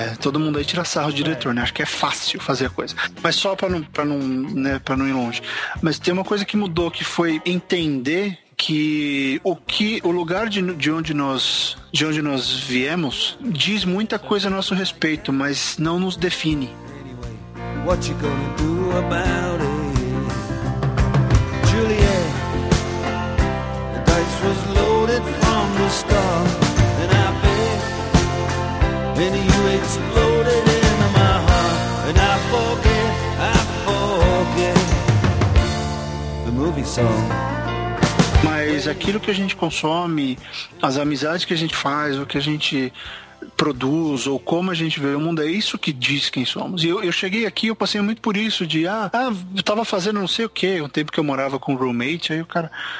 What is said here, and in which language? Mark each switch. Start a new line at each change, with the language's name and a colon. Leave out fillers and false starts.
Portuguese: Todo mundo aí tira sarro do diretor, né? Acho que é fácil fazer a coisa. Mas só pra não ir longe. Mas tem uma coisa que mudou, que foi entender que o que o lugar de onde nós viemos diz muita coisa a nosso respeito, mas não nos define.
English: What you gonna do about it? Juliet, the dice was loaded from the start, and I bet many you exploded into my heart, and I forget the movie song.
Portuguese: Mas aquilo que a gente consome, as amizades que a gente faz, o que a gente produz, ou como a gente vê o mundo, é isso que diz quem somos. E eu cheguei aqui, eu passei muito por isso, de eu tava fazendo não sei o quê, um tempo que eu morava com um roommate, aí o cara...